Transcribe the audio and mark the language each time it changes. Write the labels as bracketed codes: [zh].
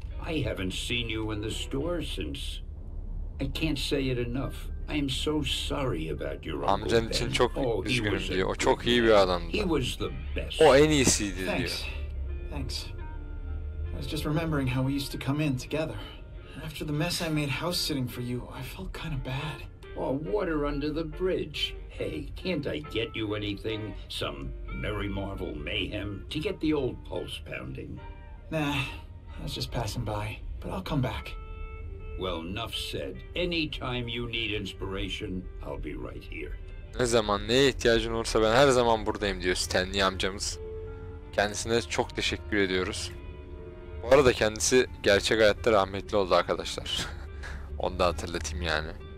[en] I haven't seen you in the store since. I can't say it enough. I am so sorry about your uncle. [tr] Amcan için çok üzgünüm diyor. O çok iyi bir adamdı. O en iyisiydi diyor. [en] Thanks. I was just remembering how we used to come in together. After the mess I made house sitting for you, I felt kind of bad. Oh, water under the bridge. Hey, can't I get you anything? Some Merry Marvel mayhem to get the old pulse pounding. Nah, I was just passing by, but I'll come back. Well, enough said. Anytime you need inspiration, I'll be right here. [tr] Ne zaman neye ihtiyacın olursa ben her zaman buradayım diyor Stanley amcamız. Kendisine çok teşekkür ediyoruz. Bu arada kendisi gerçek hayatta rahmetli oldu arkadaşlar. Onu da hatırlatayım yani.